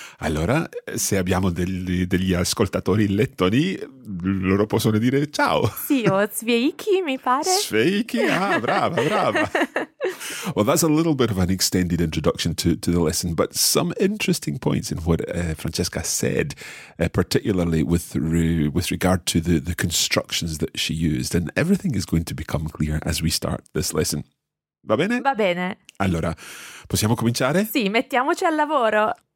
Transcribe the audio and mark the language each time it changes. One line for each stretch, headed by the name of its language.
Italian: Allora, se abbiamo degli ascoltatori lettoni, loro possono dire ciao. Sì, o sveiki, mi pare. Sveiki, ah, brava.
English: Well, that's a little bit of an extended introduction to the lesson, but some interesting points in what Francesca said, particularly with regard to the constructions that she used, and everything is going to become clear as we start this lesson.
Italian: Va bene? Va bene. Allora, possiamo cominciare? Sì, mettiamoci al lavoro.